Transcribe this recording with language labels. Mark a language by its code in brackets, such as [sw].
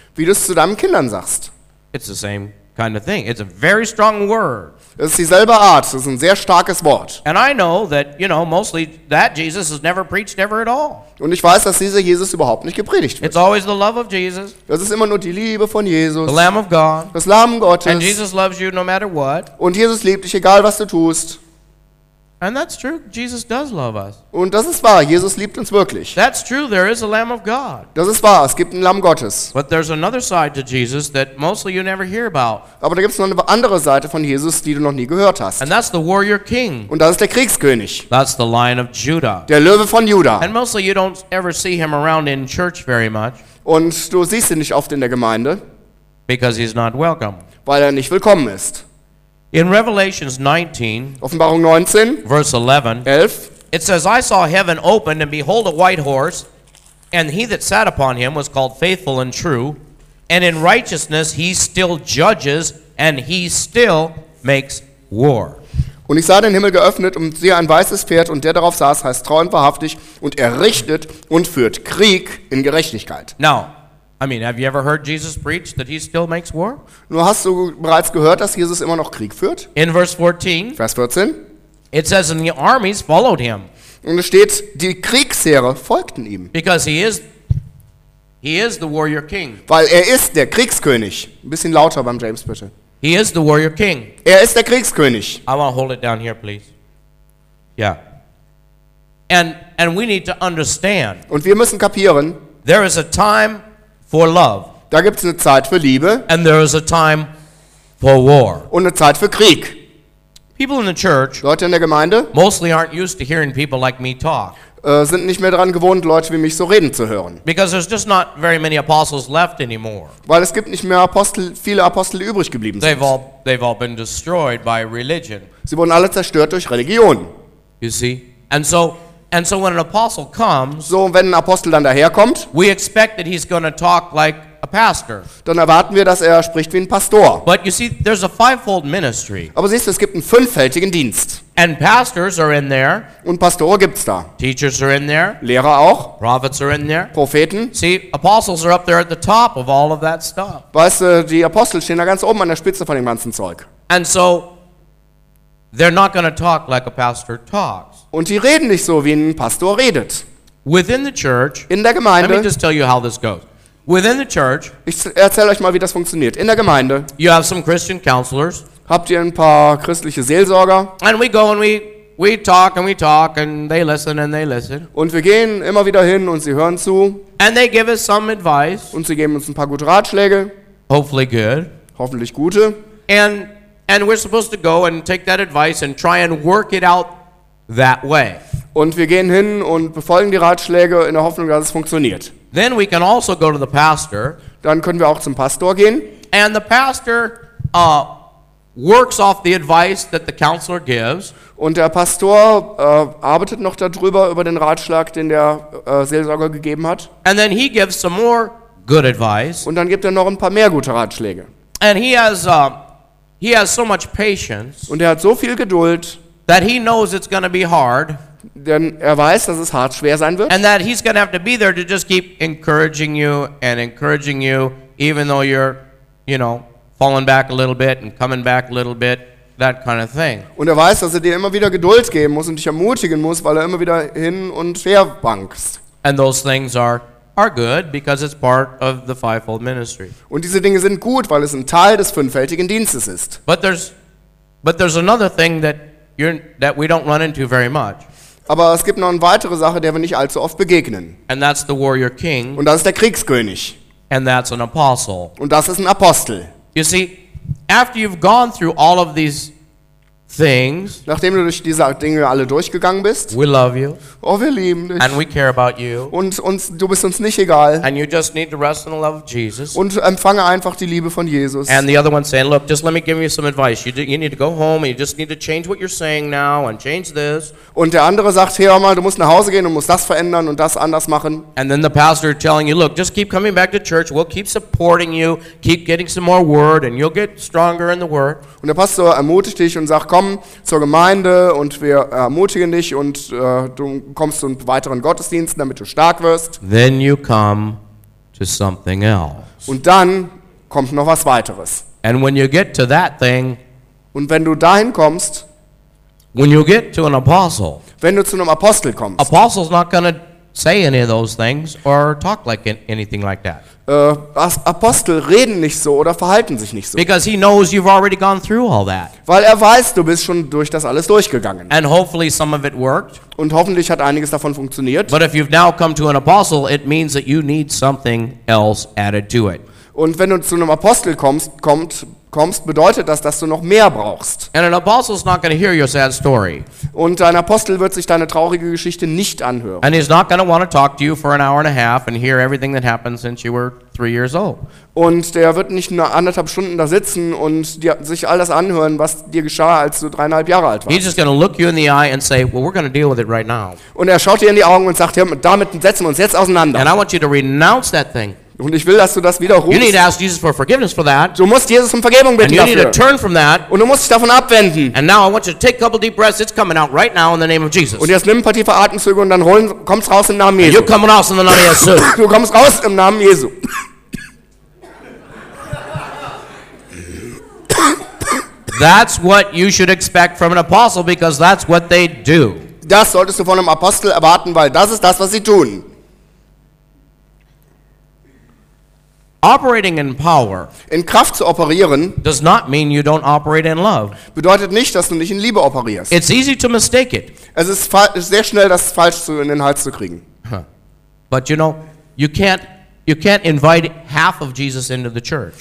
[de] Wie du es zu deinen Kindern sagst. [en] It's the same kind of thing. It's a very strong word. [de] Es ist dieselbe Art. Es ist ein sehr starkes Wort. [en] And I know that, you know, mostly that Jesus has never preached ever at all. [de] Und ich weiß, dass dieser Jesus überhaupt nicht gepredigt wird. [en] It's always the love of Jesus. [de] Das ist immer nur die Liebe von Jesus. [en] The Lamb of God. [de] Das Lamm Gottes. [en] And Jesus loves you no matter what. [de] Und Jesus liebt dich, egal was du tust. [en] And that's true. Jesus does love us. [de] Und das ist wahr. Jesus liebt uns wirklich. [en] That's true. There is a Lamb of God. [de] Das ist wahr. Es gibt ein Lamm Gottes. [en] But there's another side to Jesus that mostly you never hear about. [de] Aber da gibt's noch eine andere Seite von Jesus, die du noch nie gehört hast. [en] And that's the warrior king. [de] Und das ist der Kriegskönig. [en] That's the Lion of Judah. [de] Der Löwe von Judah. [en] And mostly you don't ever see him around in church very much. [de] Und du siehst ihn nicht oft in der Gemeinde. [en] Because he's not welcome. [de] Weil er nicht willkommen ist. [en] In Revelation 19, [de] Offenbarung 19, [en] verse 11, [de] 11, [en] it says, I saw heaven opened, and behold, a white horse, and he that sat upon him was called faithful and true, and in righteousness he still judges, and he still makes war. [de] Und ich sah den Himmel geöffnet, und siehe ein weißes Pferd, und der darauf saß, heißt treu und wahrhaftig, und er richtet und führt Krieg in Gerechtigkeit. [en] Now, I mean, have you ever heard Jesus preach that he still makes war? [de] Nur hast du bereits gehört, dass Jesus immer noch Krieg führt? [en] In verse 14. [de] Vers 14. [en] It says, and the armies followed him. [de] Und es steht, die Kriegsheere folgten ihm. [en] Because he is the warrior king. [de] Weil er ist der Kriegskönig. Ein bisschen lauter beim James, bitte. [en] He is the warrior king. [de] Er ist der Kriegskönig. [en] I want to hold it down here, please. Yeah. And we need to understand. [de] Und wir müssen kapieren. [en] There is a time for love. [de] Da gibt's eine Zeit für Liebe. [en] And there is a time for war. [de] Und eine Zeit für Krieg. [en] People in the church, [de] Leute in der Gemeinde, [en] mostly aren't used to hearing people like me talk. [de] Sind nicht mehr daran gewohnt, Leute wie mich so reden zu hören. [en] Because there's just not very many apostles left anymore. [de] Weil es gibt nicht mehr Apostel, viele Apostel übrig geblieben sind. [en] They've all been destroyed by religion. [de] Sie wurden alle zerstört durch Religion. [en] You see? And so when an apostle comes, [de] so wenn ein Apostel dann daherkommt, [en] we expect that he's going to talk like a pastor. [de] Dann erwarten wir, dass er spricht wie ein Pastor. [en] But you see, there's a fivefold ministry. [de] Aber siehst du, es gibt einen fünffältigen Dienst. [en] And pastors are in there. [de] Und Pastoren gibt's da. [en] Teachers are in there. [de] Lehrer auch. [en] Prophets are in there. [de] Propheten. [en] See, apostles are up there at the top of all of that stuff. [de] Weißt du, die Apostel stehen da ganz oben an der Spitze von dem ganzen Zeug. [en] And so they're not going to talk like a pastor talks. [de] Und die reden nicht so, wie ein Pastor redet. [en] Within the church, [de] in der Gemeinde. [en] Let me just tell you how this goes. Within the church, [de] ich erzähle euch mal, wie das funktioniert. In der Gemeinde. [en] You have some Christian counselors. [de] Habt ihr ein paar christliche Seelsorger? [en] And we go and we talk and we talk and they listen and they listen. [de] Und wir gehen immer wieder hin und sie hören zu. [en] And they give us some advice. [de] Und sie geben uns ein paar gute Ratschläge. [en] Hopefully good. [de] Hoffentlich gute. [en] And we're supposed to go and take that advice and try and work it out that way. [de] Und wir gehen hin und befolgen die Ratschläge in der Hoffnung, dass es funktioniert. [en] Then we can also go to the pastor. [de] Dann können wir auch zum Pastor gehen. [en] And the pastor works off the advice that the counselor gives. [de] Und der Pastor arbeitet noch darüber, über den Ratschlag, den der Seelsorger gegeben hat. [en] And then he gives some more good advice. [de] Und dann gibt er noch ein paar mehr gute Ratschläge. [en] And he has so much patience. [de] Und er hat so viel Geduld. [en] That he knows it's going to be hard. [de] Denn er weiß, dass es hart, schwer sein wird. [en] And that he's going to have to be there to just keep encouraging you and encouraging you, even though you're, you know, falling back a little bit and coming back a little bit, that kind of thing. [de] Und er weiß, dass er dir immer wieder Geduld geben muss und dich ermutigen muss, weil er immer wieder hin und her wankst. [en] And those things are good because it's part of the fivefold ministry. [de] Und diese Dinge sind gut, weil es ein Teil des fünffältigen Dienstes ist. [en] But there's another thing that we don't run into very much. [de] Aber es gibt noch eine weitere Sache, der wir nicht allzu oft begegnen. [en] And that's the warrior king. [de] Und das ist der Kriegskönig. [en] And that's an apostle. [de] Und das ist ein Apostel. [en] You see, after you've gone through all of these things, [de] nachdem du durch diese Dinge alle durchgegangen bist, [en] we love you. [de] Oh, wir lieben dich. [en] And we care about you. [de] Und uns, du bist uns nicht egal. [en] And you just need to rest in the love of Jesus. [de] Und empfange einfach die Liebe von Jesus. [en] And the other one saying, look, just let me give you some advice. You need to go home and you just need to change what you're saying now and change this. [de] Und der andere sagt, hey, hör mal, du musst nach Hause gehen und musst das verändern und das anders machen. [en] And then the pastor telling you, look, just keep coming back to church. We'll keep supporting you. Keep getting some more word and you'll get stronger in the word. [de] Und der Pastor ermutigt dich und sagt, komm zur Gemeinde und wir ermutigen dich und du kommst zu einem weiteren Gottesdienst, damit du stark wirst. [en] Then you come to something else. [de] Und dann kommt noch was weiteres. [en] And when you get to that thing, [de] und wenn du dahin kommst, [en] when you get to an apostle, [de] wenn du zu einem Apostel kommst, [en] apostle's not gonna say any of those things or talk like anything like that. [de] Apostel reden nicht so oder verhalten sich nicht so. [en] Because he knows you've already gone through all that. [de] Weil er weiß, du bist schon durch das alles durchgegangen. [en] And hopefully some of it worked. [de] Und hoffentlich hat einiges davon funktioniert. [en] But if you've now come to an apostle, it means that you need something else added to it. [de] Und wenn du zu einem Apostel kommst, bedeutet das, dass du noch mehr brauchst. [en] And an apostle's not gonna hear your sad story. [de] Und ein Apostel wird sich deine traurige Geschichte nicht anhören. [en] And he's not gonna wanna talk to you for an hour and a half and hear everything that happened since you were 3 years old. [de] Und der wird nicht nur anderthalb Stunden da sitzen und dir, sich all das anhören, was dir geschah, als du 3,5 Jahre alt warst. [en] He's just gonna look you in the eye and say, well, we're gonna deal with it right now. [de] Und er schaut dir in die Augen und sagt, hör, damit setzen wir uns jetzt auseinander. [en] And I want you to renounce that thing. [de] Und ich will, dass du das wieder rufst. [en] You need to ask Jesus for forgiveness for that. [de] Du musst Jesus um Vergebung bitten [en] and you [de] dafür. [en] Need to turn from that. [de] Und du musst dich davon abwenden. [en] And now I want you to take a couple deep breaths. It's coming out right now in the name of Jesus. [de] Und jetzt nimm ein paar tiefe Atemzüge und dann kommst raus im Namen Jesu. [en] You're coming out in the name of Jesus. [de] Du kommst raus im Namen Jesu. [en] That's what you should expect from an apostle because that's what they do. [de] Das solltest du von einem Apostel erwarten, weil das ist das, was sie tun. [en] Operating in power, [de] in Kraft zu operieren, [en] does not mean you don't operate in love. [de] Bedeutet nicht, dass du nicht in Liebe operierst. [en] It's easy to mistake it. [de] Es ist sehr schnell, das falsch zu in den Hals zu kriegen. [en] But you know, you can't invite half of Jesus into the church.